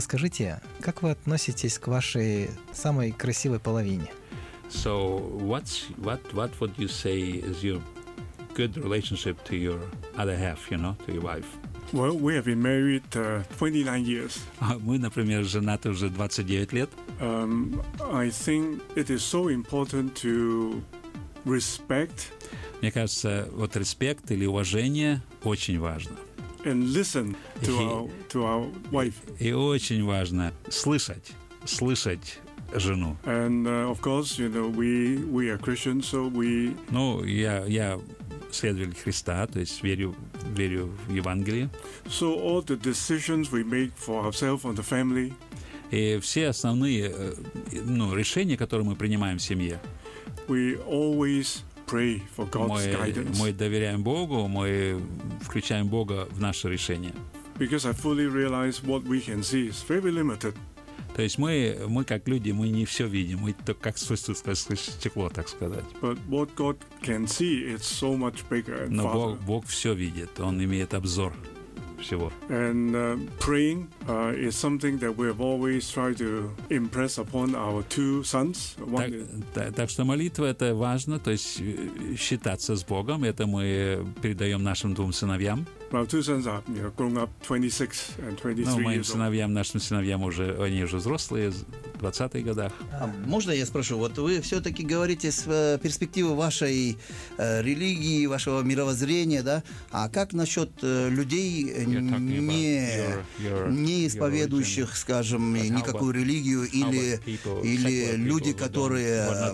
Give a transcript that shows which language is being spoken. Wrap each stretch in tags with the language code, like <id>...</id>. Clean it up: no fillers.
<ru>скажите, как вы относитесь к вашей самой красивой половине?</ru> <en>So what would you say is your good relationship to your other half, you know, to your wife? Well, we have been married 29 years.</en> <ru>Мы, например, женаты уже 29 лет.</ru> <en>I think it is so important to respect.</en> <ru>Мне кажется, вот респект или уважение очень важно.</ru> <en>And listen to our wife.</en> <ru>И очень важно слышать жену.</ru> <en>And of course, you know, we are Christians, so we.</en> <ru>Ну, я следователь Христа, то есть верю в Евангелие.</ru> <en>So all the decisions we make for ourselves and the family.</en> <ru>И все основные решения, которые мы принимаем в семье.</ru> <en>We always pray for God's guidance.</en> <ru>Мы доверяем Богу, мы включаем Бога в наше решение.</ru> <en>Because I fully realize what we can see is very limited.</en> <ru>То есть мы как люди, мы не все видим, мы только как сквозь стекло, так сказать.</ru> <en>But what God can see is so much bigger and farther.</en> <ru>Но Бог все видит, Он имеет обзор всего.</ru> <en>And praying is something that we have always tried to impress upon our two sons.</en> <ru>Так что молитва это важно, то есть считаться с Богом, это мы передаем нашим двум сыновьям.</ru> <en>Our two sons are, you know, grown up 26 and 23 years old.</en> <ru>Моим сыновьям, нашим сыновьям уже, они уже взрослые, в 20-х годах. Можно я спрошу, вот вы все-таки говорите с перспективы вашей религии, вашего мировоззрения, да? А как насчет людей, не исповедующих, скажем, никакую религию, или люди, которые...</ru>